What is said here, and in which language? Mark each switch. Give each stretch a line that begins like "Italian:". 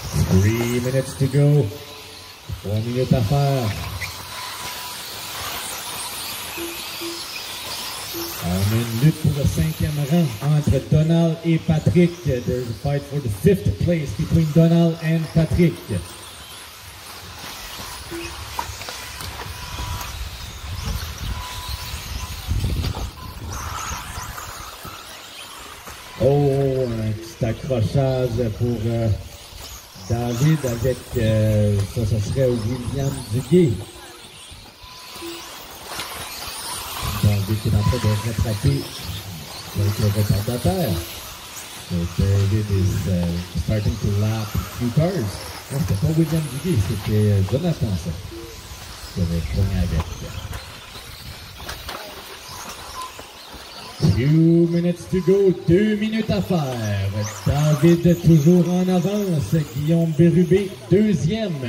English: 3 minutes to go,
French: 3 minutes à faire. On a une lutte pour le cinquième rang entre Donald et Patrick.
English: There's a fight for the fifth place between Donald and Patrick.
French: Oh, un petit accrochage pour David avec, ça serait William Duguay. David qui est en train de rattraper quelques retardataires.
English: So David is starting to lap a few cars.
French: Non, c'était pas William Duguay, c'était Jonathan, ça. Je vais prendre avec.
English: 2 minutes to go,
French: 2 minutes à faire. David est toujours en avance. Guillaume Berube, deuxième.